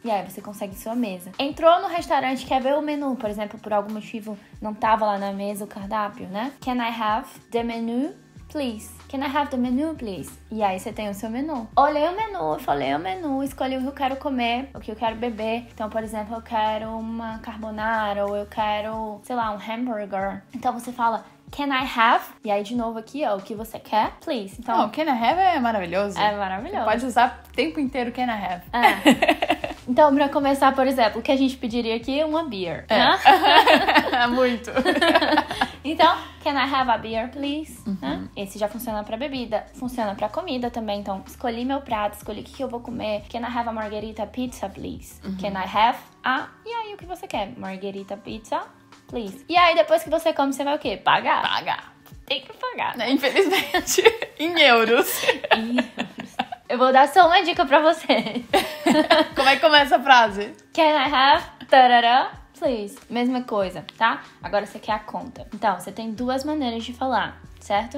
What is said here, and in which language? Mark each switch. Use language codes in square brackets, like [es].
[pt] E aí, você consegue sua mesa. Entrou no restaurante, quer ver o menu, por exemplo, por algum motivo, não tava lá na mesa o cardápio, né? [en] Can I have the menu, please? Can I have the menu, please? [pt] E aí você tem o seu menu. Olhei o menu, falei o menu, escolhi o que eu quero comer, o que eu quero beber. Então, por exemplo, eu quero uma carbonara, ou eu quero, sei lá, um hambúrguer. Então você fala, [en] can I have? [pt] E aí, de novo aqui, ó, o que você quer, please. Então, oh, [en] can I have [pt] é maravilhoso. É maravilhoso. Você pode usar o tempo inteiro [en] can I have. [pt] É. Então, pra começar, por exemplo, o que a gente pediria aqui? Uma beer. É. Né? Muito. Então, [en] can I have a beer, please? Uhum. [pt] Esse já funciona pra bebida. Funciona pra comida também. Então, escolhi meu prato, escolhi o que eu vou comer. [en] Can I have a margherita pizza, please? Uhum. Can I have a... [pt] E aí, o que você quer? [en] Margherita pizza, please. [pt] E aí, depois que você come, você vai o quê? Pagar. Pagar. Tem que pagar. Né? Infelizmente, em euros. Eu vou dar só uma dica pra você. Como é que começa a frase? [en] Can I have, [pt] tarará, please? Mesma coisa, tá? Agora você quer a conta. Então, você tem duas maneiras de falar. certo?